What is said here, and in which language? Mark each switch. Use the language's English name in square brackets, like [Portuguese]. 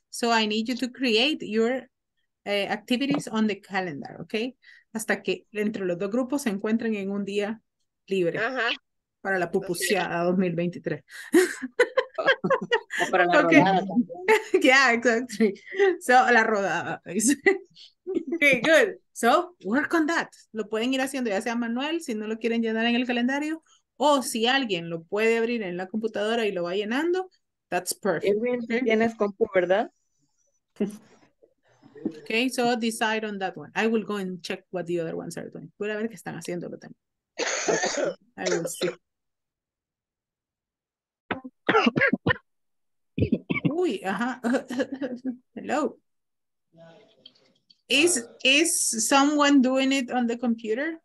[English] So, I need you to create your activities on the calendar, okay? [Spanish] Hasta que entre los dos grupos se encuentren en un día libre. Ajá. Para la pupuseada 2023. Para la rodada. [English] Okay. Yeah, exactly. So, [Spanish] la rodada. [English] Okay, good. So, work on that. [Spanish] Lo pueden ir haciendo ya sea manual, si no lo quieren llenar en el calendario, o si alguien lo puede abrir en la computadora y lo va llenando, [English] that's perfect. [Spanish] Edwin, tienes compu, ¿verdad? [English] Okay, so decide on that one. I will go and check what the other ones are doing. [Spanish] Voy a ver qué están haciendo lo también. [English] Okay. I will see. Uy, ajá. Hello. Is someone doing it on the computer?